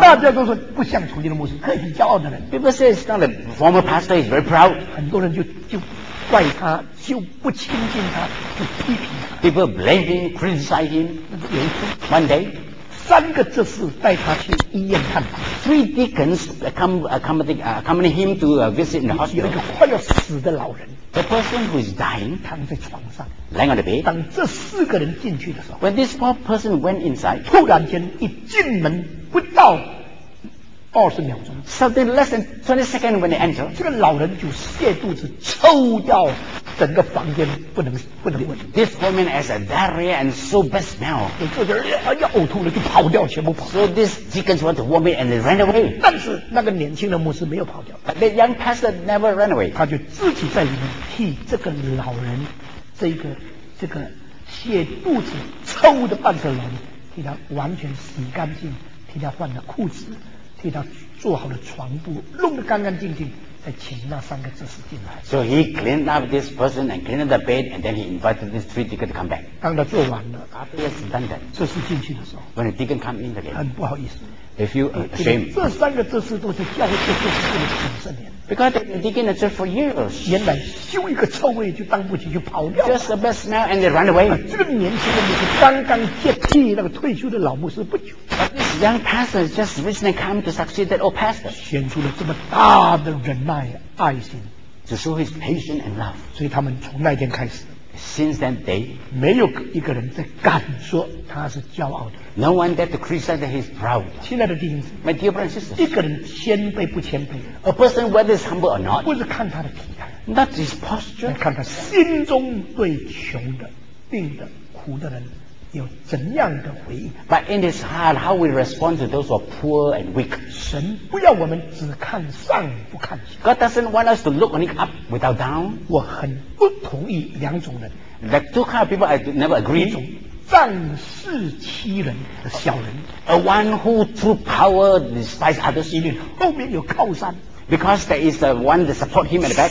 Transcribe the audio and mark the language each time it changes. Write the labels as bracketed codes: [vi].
[zh] 大家都说不像从前的牧师很骄傲的人 [en] People say it's not the former pastor he's very proud [zh] 很多人就怪他就不亲近他就批评他 [en] People blame him criticize him One day [zh] 三个执事带他去医院看他 [en] Three deacons accompany him to visit in the hospital [zh] 有一个快要死的老人 [en] The person who is dying [zh] 躺在床上 [en] Lying on the bed [zh] 当这四个人进去的时候 [en] When this poor person went inside [zh] 突然间一进门不到二十秒钟 [en] Something less than 20 seconds when they enter [zh] 这个老人就泻肚子抽掉整个房间不能闻。 [en] This woman has a diarrhea and so bad smell. [zh] 我坐在那儿要呕吐了，就跑掉，全部跑。 [en] So this deacon went to warm it and they ran away. [zh] 但是那个年轻的牧师没有跑掉。 [en] But the young pastor never ran away. [zh] 他就自己在里面替这个老人，这个泻肚子抽的半个人，替他完全洗干净，替他换了裤子，替他做好了床铺，弄得干干净净。再请那三个执事进来。 [en] So he cleaned up this person and cleaned the bed, and then he invited this three deacon to come back. [zh] 当他做完了 [en] ，after he has done that, [zh] 执事进去的时候 [en] ，when the deacon come in again, [zh] 很不好意思 [en] ，they feel ashamed. [zh] 这三个执事都是教会做执事的几十年。 [en] Because they've been digging the church for years. [zh] 原来修一个臭位就当不起就跑掉。 [en] Just the best smell and they run away. [zh] 这个年轻的牧师刚刚接替那个退休的老牧师不久。 [en] This young pastor just recently come to succeed that old pastor. [zh] 显出了这么大的忍耐爱心。 [en] to show his patience and love. [zh] 所以他们从那天开始 [en] since that day, [zh] 没有一个人在敢说他是骄傲的。 [en] No one dared to criticize his pride. [zh] 亲爱的弟兄姊 [en] 妹， my dear brothers and sisters, [zh] 一个人谦卑不谦卑， [en] a person whether is humble or not, [zh] 不是看他的体态， [en] not his posture, [zh] 来看他心中对穷的、病的、苦的人有怎样的回应。 [en] But in his heart, how we respond to those who are poor and weak. [zh] 神不要我们只看上不看下。 [en] God doesn't want us to look only up without down. [zh] 我很不同意两种人。 [en] Like two kind of people I never agree. [zh] 一种仗势欺人的小人。 [en] A one who through power despise others. [zh] 因为后面有靠山。 [en] Because there is the one that support him at the back.